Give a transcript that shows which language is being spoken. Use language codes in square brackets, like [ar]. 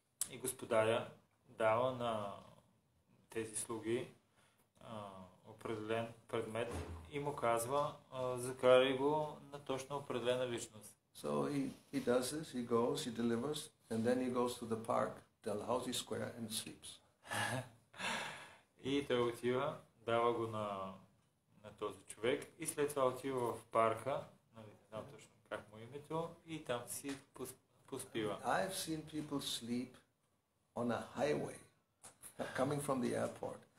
[bg] И господаря дава на тези слуги определен предмет и му казва, закарай го на точно определена личност. [en] So he does this, he goes, he delivers, and then he goes to the park, Dalhousie Square, and sleeps. [bg] И той отива, дава го на този човек и след това отива в парка, нали, там точно как му името, и там си поспива. [en] I've seen people sleep on a highway, coming from the airport.